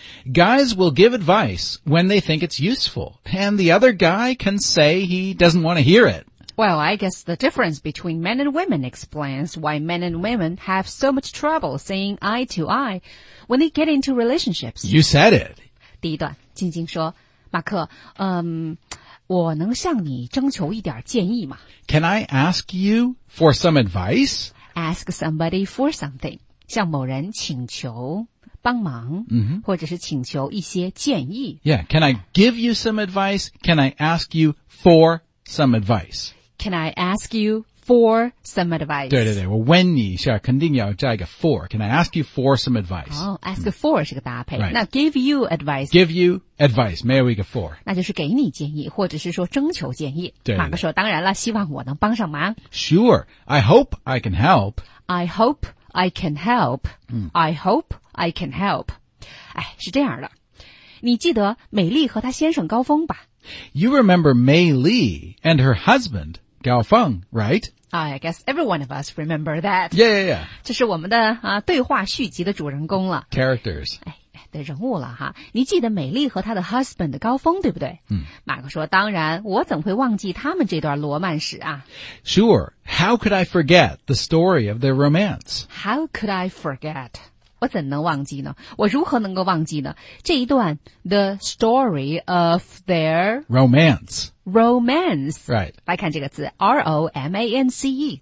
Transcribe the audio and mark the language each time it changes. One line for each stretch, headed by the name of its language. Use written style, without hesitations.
English: Guys will give advice when they think it's useful, and the other guy can say he doesn't want to hear it. Well, I guess the difference between men and women explains why men and women have so much trouble seeing eye to eye when they get into relationships. You said it.
Chinese: 第一段，静静说，马克，我能向你征求一点建议吗？
English: Can I ask you for some advice? Ask somebody for something.
Chinese: 向某人请求帮忙、 mm-hmm. 或者是请求一些建议。
English: Yeah, can I give you some advice? Can I ask you for some advice? Can I ask you for some advice?
Chinese: 对对对，我问你一下，肯定要加一个 for.
English: Can I ask you for some advice? Oh, ask for、
Chinese: mm. 是个搭配、
English: right. 那 give you advice. Give you advice,
Chinese: 没有一个
English: for.
Chinese: 那就是给你建议或者是说征求建议。对对对，马克说当然了，希望我能帮上忙。
English: Sure, I hope I can help. I hope I can help.、Mm. I hope I can help.
Chinese: 哎，是这样的，你记得美丽和她先生高峰吧？
English: You remember May Lee and her husband, Gao Feng, right? I guess every one of us remember that. Yeah, yeah, yeah.
Chinese: 这是我们的、对话续集的主人公了。
English: Characters.
Chinese: 的人物了哈。你记得美丽和她的 husband 高峰对不对？嗯。马克说当然，我怎会忘记他们这段罗曼史啊。
English: Sure, how could I forget the story of their romance? How could I forget?
Chinese: 我怎能忘记呢？我如何能够忘记呢？这一段
English: the story of their romance. Romance. Right.
Chinese: 来看这个字 ,R-O-M-A-N-C-E.